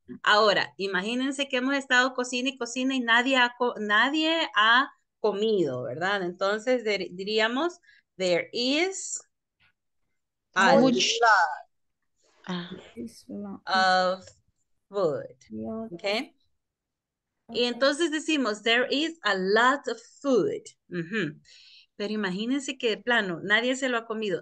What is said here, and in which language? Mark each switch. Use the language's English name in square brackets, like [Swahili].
[Spanish] Ahora, imagínense que hemos estado cocina y cocina y nadie ha comido, ¿verdad? [English] Entonces diríamos there is a lot of food. Okay. Y entonces decimos there is a lot of food. [Spanish] Pero imagínense que de plano, nadie se lo ha comido.